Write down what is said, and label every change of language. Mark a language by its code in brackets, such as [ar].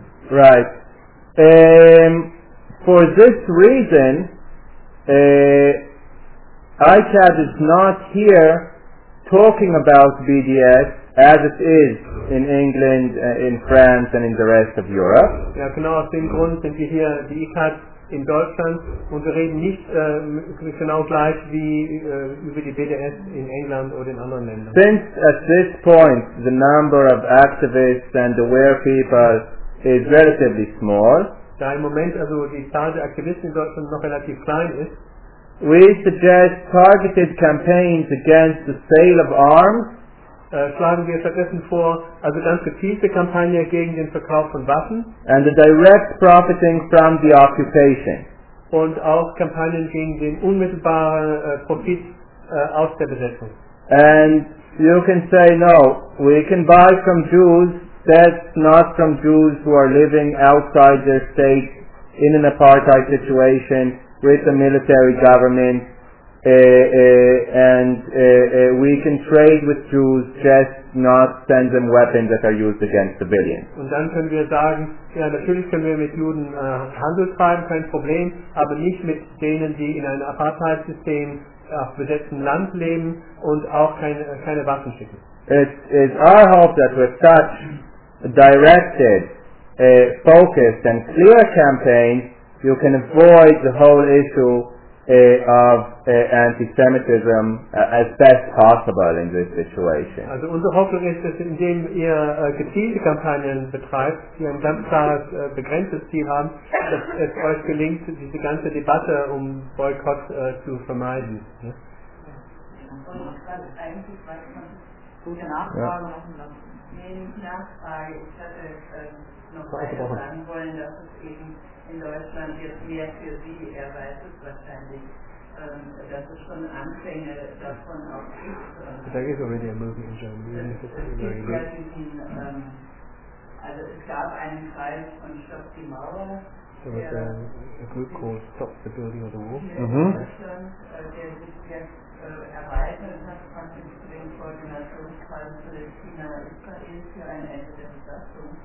[en] Right. For this reason, ICAD is not here talking about BDS as it is in England, in France, and in the rest of Europe. [de] Ja, genau aus dem Grund sind wir hier, die ICAD in Deutschland, und wir reden nicht genau gleich wie über die BDS in England oder in anderen Ländern. [en] Since at this point the number of activists and aware people is relatively small, [de] da im Moment also die Zahl der Aktivisten in Deutschland noch relativ klein ist, [en] we suggest targeted campaigns against the sale of arms. [de] Schlagen wir stattdessen vor, also ganz gezielte Kampagne gegen den Verkauf von Waffen. [en] And the direct profiting from the occupation. [de] Und auch Kampagnen gegen den unmittelbaren Profit aus der Besetzung. [en] And you can say, no, we can buy from Jews, that's not from Jews who are living outside their state in an apartheid situation with the military government, and we can trade with Jews, just not send them weapons that are used against civilians. [de] Und dann können wir sagen, ja, natürlich können wir mit Juden Handel treiben, kein Problem, aber nicht mit denen, die in einem Apartheid-System auf besetztem Land leben und auch keine Waffen schicken. [en] It is our hope that with such directed, focused and clear campaigns, you can avoid the whole issue of anti-Semitism as best possible in this situation. [de] Also unsere Hoffnung ist, dass indem ihr gezielte Kampagnen betreibt, die ein ganz klares begrenztes Ziel haben, dass es euch gelingt, diese ganze Debatte um Boykott zu vermeiden. Ja? Ich wollte eigentlich gute Nachfragen machen lassen. Ich hätte noch weiter sagen wollen, dass es eben in Deutschland jetzt mehr für Sie, er weiß es wahrscheinlich, dass es schon Anfänge davon auch gibt. Da gibt es [en] already a movie in Germany. [de] Also es gab einen Kreis von Stopp die Mauer. [en] There was a group called Stop the Building of the Wall. [de] Der sich jetzt erweitert hat, von den extremen Koordinationskreisen Palästina und Israel für ein Ende der Besatzung.